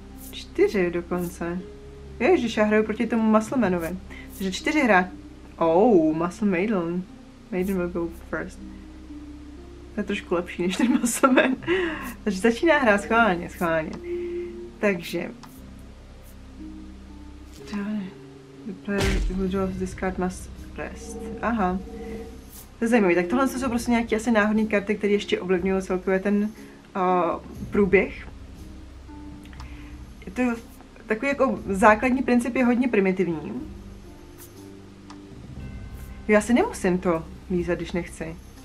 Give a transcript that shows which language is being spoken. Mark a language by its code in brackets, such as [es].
[cs] Čtyři dokonce. Ježiš, já hraju proti tomu Musclemanovi. Takže čtyři hra. [en] Oh, Muscle Maiden. Maiden will go first. [cs] To je trošku lepší než ten Musclemen. Takže začíná hra schválně. Takže. [en] The player who draws this card must rest. Aha. [cs] To je zajímavý. Tak tohle jsou prostě nějaké asi náhodné karty, které ještě ovlivňují celkově ten průběh. Je to takový jako základní princip je hodně primitivní. Já si nemusím to lízat, když nechci.